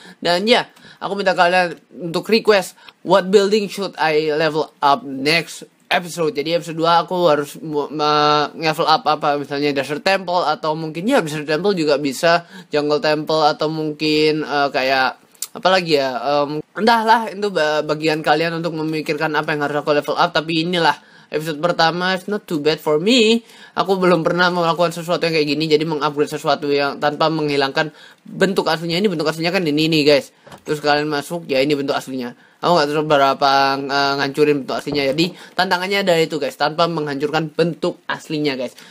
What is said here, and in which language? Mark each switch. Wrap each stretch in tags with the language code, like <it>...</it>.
<id>Dan ya, aku minta kalian untuk request,</id> <en>what building should I level up next episode.</en> <id>Jadi episode 2 aku harus level up apa, misalnya desert temple, atau mungkin ya desert temple juga bisa, jungle temple, atau mungkin kayak... apalagi ya, entahlah, itu bagian kalian untuk memikirkan apa yang harus aku level up. Tapi inilah episode pertama,</id> <en>it's not too bad for me.</en> <id>Aku belum pernah melakukan sesuatu yang kayak gini, jadi mengupgrade sesuatu yang tanpa menghilangkan bentuk aslinya. Ini bentuk aslinya kan ini nih guys, terus kalian masuk, ya ini bentuk aslinya. Aku gak tahu berapa ngancurin bentuk aslinya. Jadi tantangannya adalah itu guys, tanpa menghancurkan bentuk aslinya guys.</id>